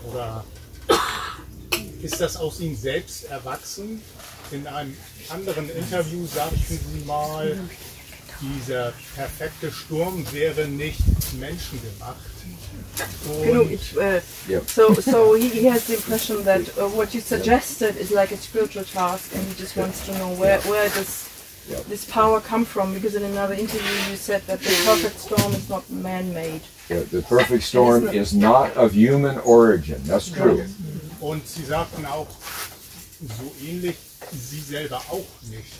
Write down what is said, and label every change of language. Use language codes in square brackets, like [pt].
[de] Oder ist das aus Ihnen selbst erwachsen? In einem anderen Interview sagten Sie mal, dieser perfekte Sturm wäre nicht menschengemacht. [en] So he has the impression that what you suggested is like a spiritual task, and he just wants to know where does this power come from, because in another interview you said that the perfect storm is not man-made. Yeah, the perfect storm is not of human origin, that's true. Yes. [de] Und Sie sagten auch, so ähnlich Sie selber auch nicht.